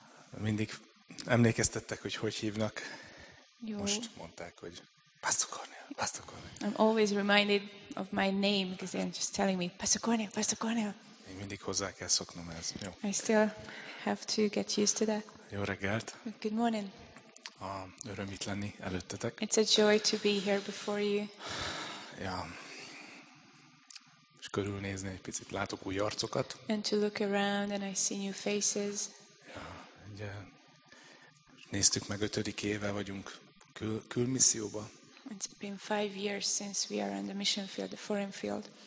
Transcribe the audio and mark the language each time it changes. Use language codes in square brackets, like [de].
[hu] Mindig emlékeztettek, hogy hogy hívnak. Jó. Most mondták, hogy Pastor Cornél, Pastor Cornél. [en] I'm always reminded of my name because they're just telling me, Pastor Cornél, Pastor Cornél. [hu] Én mindig hozzá kell szoknom ez. Jó. [en] I still have to get used to that. [hu] Jó reggelt! [en] Good morning! [hu] Öröm itt lenni előttetek. [en] It's a joy to be here before you. Ja. [hu] És körülnézni egy picit, látok új arcokat. [en] And to look around and I see new faces. [hu] Ja, ugye, néztük meg, 5. éve vagyunk külmisszióba. [en] It's been 5 years since we are on the mission field, the foreign field.